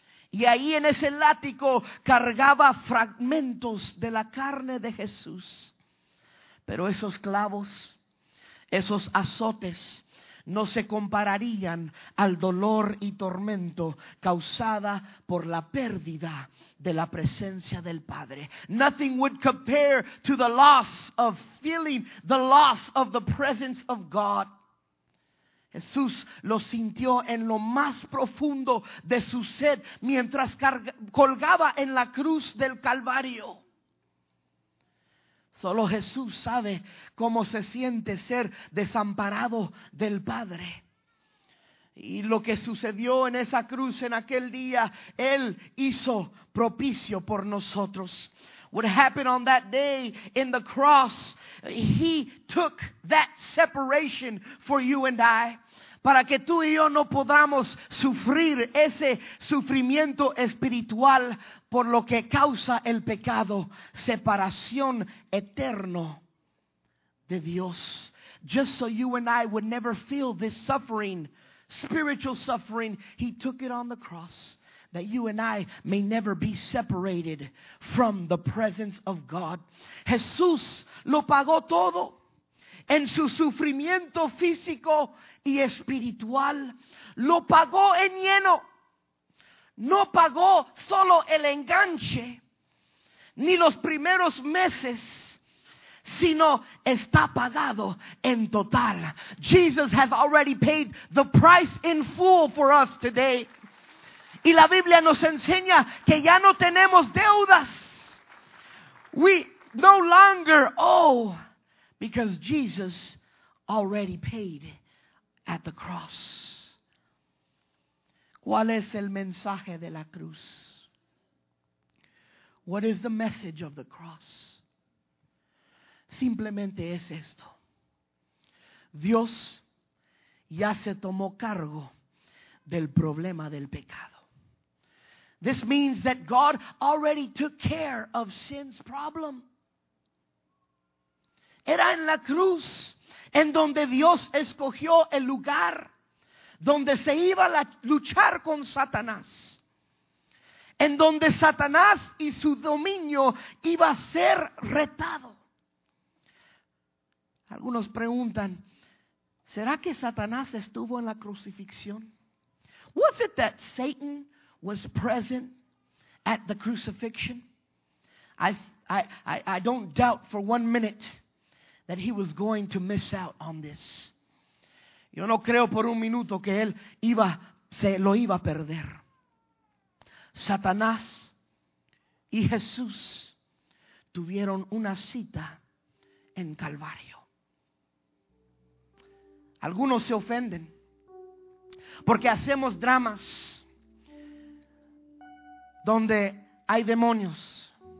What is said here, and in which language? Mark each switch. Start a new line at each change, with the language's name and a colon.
Spanish: Y ahí en ese látigo cargaba fragmentos de la carne de Jesús. Pero esos clavos, esos azotes, no se compararían al dolor y tormento causada por la pérdida de la presencia del Padre.
English: Nothing would compare to the loss of feeling the loss of the presence of God.
Spanish: Jesús lo sintió en lo más profundo de su sed mientras colgaba en la cruz del Calvario. Solo Jesús sabe cómo se siente ser desamparado del Padre. Y lo que sucedió en esa cruz en aquel día, Él hizo propicio por nosotros.
English: What happened on that day in the cross, He took that separation for you and I.
Spanish: Para que tú y yo no podamos sufrir ese sufrimiento espiritual por lo que causa el pecado, separación eterno de Dios.
English: Just so you and I would never feel this suffering, spiritual suffering, He took it on the cross, that you and I may never be separated from the presence of God.
Spanish: Jesús lo pagó todo en su sufrimiento físico y espiritual. Lo pagó en lleno. No pagó solo el enganche ni los primeros meses, sino está pagado en total.
English: Jesus has already paid the price in full for us today.
Spanish: Y la Biblia nos enseña que ya no tenemos deudas.
English: We no longer owe, because Jesus already paid at the cross.
Spanish: ¿Cuál es el mensaje de la cruz?
English: What is the message of the cross?
Spanish: Simplemente es esto. Dios ya se tomó cargo del problema del pecado.
English: This means that God already took care of sin's problem.
Spanish: Era en la cruz en donde Dios escogió el lugar donde se iba a luchar con Satanás. En donde Satanás y su dominio iba a ser retado. Algunos preguntan, ¿será que Satanás estuvo en la crucifixión?
English: Was it that Satan was present at the crucifixion? I don't doubt for one minute that he was going to miss out on this.
Spanish: Yo no creo por un minuto que él iba, se lo iba a perder. Satanás y Jesús tuvieron una cita en Calvario. Algunos se ofenden porque hacemos dramas donde hay demonios.